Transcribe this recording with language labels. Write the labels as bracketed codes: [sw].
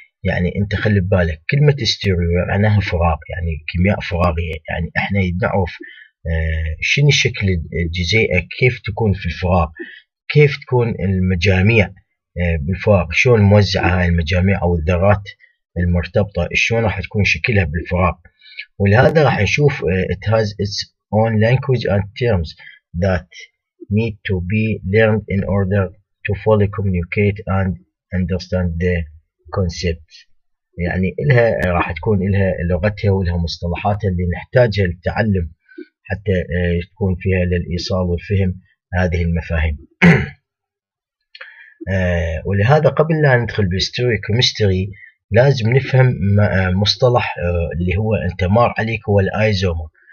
[ar] يعني انت خلي ببالك كلمه ستيريو معناها فراغ، يعني كيمياء فراغيه، يعني احنا نعرف شنو شكل الجزيئه، كيف تكون في الفراغ، كيف تكون المجاميع بالفراغ، شلون موزعه هاي المجاميع او الذرات المرتبطه، شلون راح تكون شكلها بالفراغ. ولهذا راح نشوف [en] it has its own language and terms that need to be learned in order to fully communicate and understand the concept. [ar] يعني لها راح تكون لها لغتها ولها مصطلحاتها اللي نحتاجها للتعلم حتى تكون فيها للايصال والفهم هذه المفاهيم. ولهذا قبل لا ندخل بالستوري كيمستري لازم نفهم مصطلح اللي هو انت مار عليك هو الايزومر.